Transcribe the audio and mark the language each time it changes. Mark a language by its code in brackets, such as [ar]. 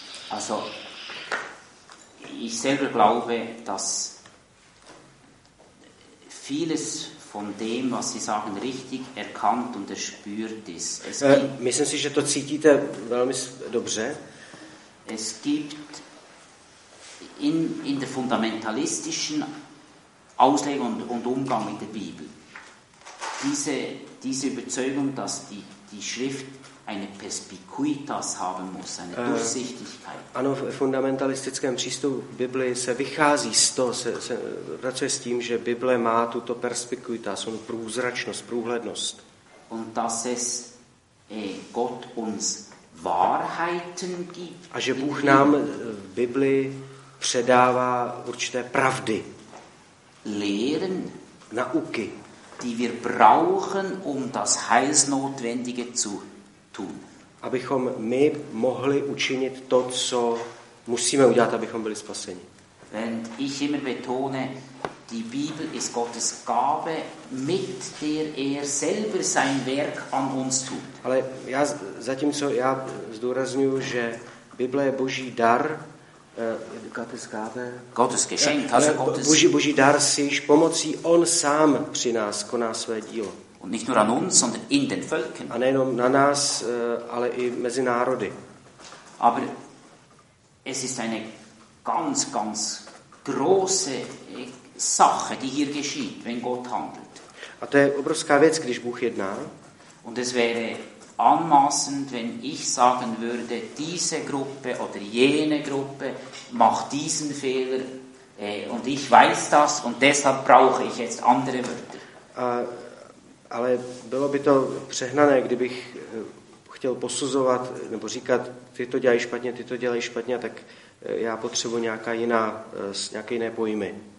[de] Also, ich selber glaube, dass vieles von dem, was Sie sagen, richtig erkannt und erspürt ist. [cs] Myslím si, že to cítíte velmi dobře. [de] Es gibt in der fundamentalistischen Auslegung und Umgang mit der Bibel diese Überzeugung, dass die Schrift eine Perspicuitas haben muss, eine Durchsichtigkeit. [cs] Ano, v fundamentalistickém přístupu Bible se vychází z toho, se pracuje s tím, že Bible má tuto perspicuitas, onu průzračnost, průhlednost. [de] Und dass es Gott uns Wahrheiten gibt. [cs] A že Bůh nám v Bibli předává určité pravdy. [de] Lehren. [cs] Nauky. [de] Die wir brauchen, das Heilsnotwendige zu [cs] abychom my mohli učinit to, co musíme udělat, abychom byli spaseni. [de] Und ich immer betone, die Bibel ist Gottes Gabe, mit der selber sein Werk an uns tut. [cs] Ale já zatímco já zdůrazňuji, že Bible je Boží dar, [de] Gottes Gabe, Gottes Geschenk, also Gottes [cs] Boží dar, s jejíž pomocí on sám při nás koná své dílo. [de] Nicht nur an uns, sondern in den Völkern. [cs] A nejenom na nás, ale i mezi národy. [de] Aber es ist eine ganz, ganz große Sache, die hier geschieht, wenn Gott handelt. [cs] A to je obrovská věc, když Bůh jedná. [de] Und es wäre anmaßend, wenn ich sagen würde, diese Gruppe oder jene Gruppe macht diesen Fehler und ich weiß das und deshalb brauche ich jetzt andere Wörter. [cs] Ale bylo by to přehnané, kdybych chtěl posuzovat nebo říkat, ty to dělají špatně, ty to dělají špatně, tak já potřebuji nějaké jiné pojmy.